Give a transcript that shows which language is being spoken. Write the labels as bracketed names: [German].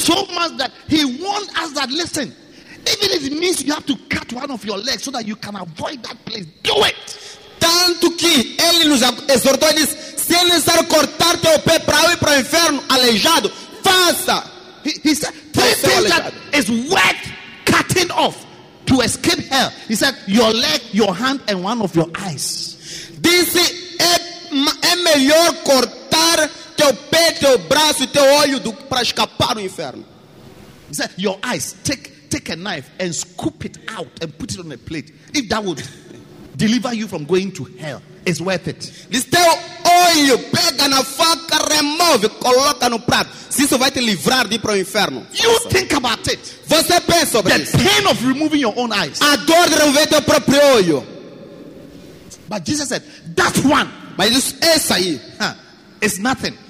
[English] So much that he warned us that listen. Even if it means you have to cut one of your legs so that you can avoid that place, do it. [Portuguese] Tanto que ele nos exortou e disse, se é necessário cortar teu pé para ir para o inferno aleijado, faça. [English] He said, three things that is worth cutting off to escape hell. He said, your leg, your hand, and one of your eyes. [Portuguese] Disse, é melhor cortar teu pé, teu braço e teu olho para escapar do inferno. [English] He said, your eyes, take a knife and scoop it out and put it on a plate. If that would deliver you from going to hell, it's worth it. This [Portuguese] teu olho, pega na faca, remove, coloca no prato. Se isso vai te livrar de ir para o inferno. [English] You think about it. [Portuguese] Você pensa sobre isso. [English] The pain of removing your own eyes. [Portuguese] A dor de remover teu próprio olho. [English] But Jesus said, that one. [Portuguese] Mas isso aí. [English] It's nothing.